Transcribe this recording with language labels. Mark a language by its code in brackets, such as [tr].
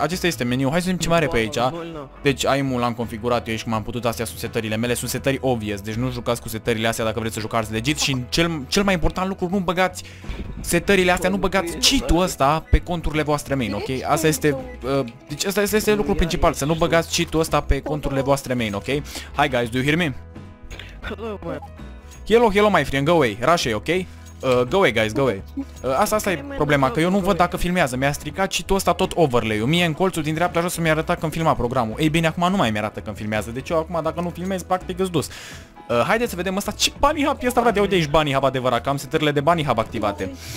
[ro] Acesta este meniu, hai să vedem ce mai are pe aici. Deci aim-ul l-am configurat eu și cum am putut, astea sunt setările mele, sunt setări obvious, deci nu jucați cu setările astea dacă vreți să jucați legit. Și cel mai important lucru, nu băgați setările astea, nu băgați cheat-ul ăsta pe conturile voastre main, ok? Asta este, deci asta este lucrul principal, să nu băgați cheat-ul ăsta pe conturile voastre main, ok? [en] Hi guys, do you hear me? Hello, hello my friend, go away, rush away, ok? Go away guys, go away. [ro] Asta e problema, că eu nu văd dacă filmează. Mi-a stricat și tot ăsta tot overlay-ul. Mie în colțul din dreapta jos mi-a arătat când filma programul. Ei bine, acum nu mai mi-arată când filmează. Deci eu acum dacă nu filmez, practic îți dus. Haideți să vedem asta. Ce bunny hub e ăsta, frate? Uite aici bunny hub adevărat, că am setările de bunny hub activate.